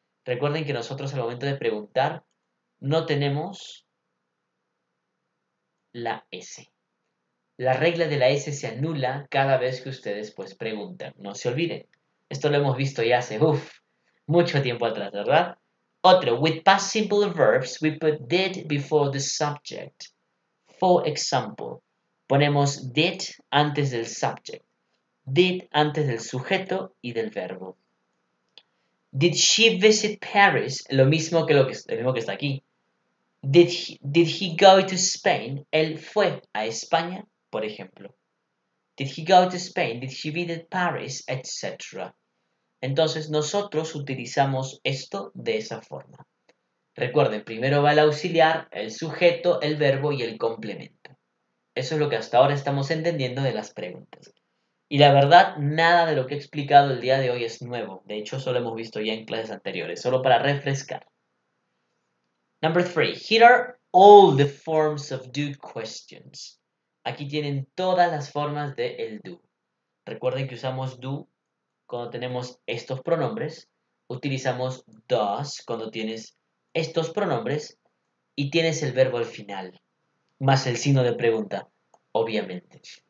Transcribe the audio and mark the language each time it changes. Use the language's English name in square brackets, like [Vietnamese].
[Spanish] Recuerden que nosotros al momento de preguntar no tenemos la S. La regla de la S se anula cada vez que ustedes pues preguntan. No se olviden. Esto lo hemos visto ya hace, uf, mucho tiempo atrás, ¿verdad? Otro, [English] with past simple verbs, we put did before the subject. For example, [Spanish] ponemos did antes del subject. Did antes del sujeto y del verbo. [English] Did she visit Paris? [Spanish] Lo mismo que está aquí. [English] Did he go to Spain? [Spanish] Él fue a España, por ejemplo. [English] Did he go to Spain? Did he visit Paris? [Spanish] Etcétera. Entonces, nosotros utilizamos esto de esa forma. Recuerden, primero va el auxiliar, el sujeto, el verbo y el complemento. Eso es lo que hasta ahora estamos entendiendo de las preguntas. Y la verdad, nada de lo que he explicado el día de hoy es nuevo. De hecho, solo hemos visto ya en clases anteriores, solo para refrescar. [English] Number three. Here are all the forms of do questions. [Spanish] Aquí tienen todas las formas de el do. Recuerden que usamos do cuando tenemos estos pronombres. Utilizamos does cuando tienes estos pronombres y tienes el verbo al final, más el signo de pregunta, obviamente.